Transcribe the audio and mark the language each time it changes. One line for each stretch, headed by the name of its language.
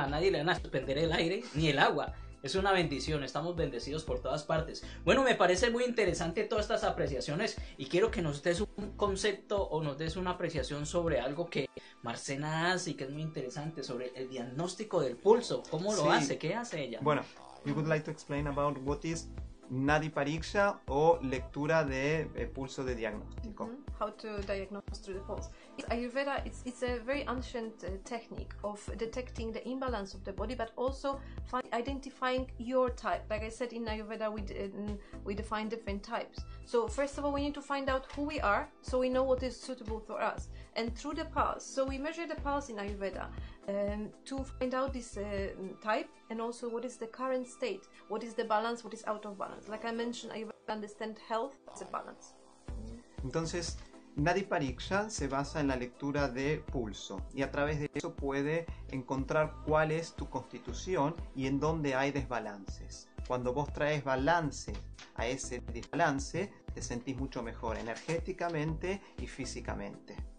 Spanish: A nadie le van a suspender el aire ni el agua. Es una bendición, estamos bendecidos por todas partes. Bueno, me parece muy interesante todas estas apreciaciones y quiero que nos des un concepto o nos des una apreciación sobre algo que Marcena hace y que es muy interesante, sobre el diagnóstico del pulso. ¿Cómo lo hace? ¿Qué hace ella?
English: Bueno, you would like to explain about what is Nadi Pariksha
Spanish: o lectura de pulso de diagnóstico.
English: How to diagnose through the pulse. Ayurveda, it's a very ancient technique of detecting the imbalance of the body, but also identifying your type. Like I said, in Ayurveda, we define different types. So first of all, we need to find out who we are, so we know what is suitable for us. And through the pulse, so we measure the pulse in Ayurveda to find out this type, and also what is the current state, what is the balance, what is out of balance. Like I mentioned, Ayurveda understand health as a balance.
Spanish: Entonces, Nadi Pariksha se basa en la lectura de pulso y a través de eso puede encontrar cuál es tu constitución y en dónde hay desbalances. Cuando vos traes balance a ese desbalance, te sentís mucho mejor energéticamente y físicamente.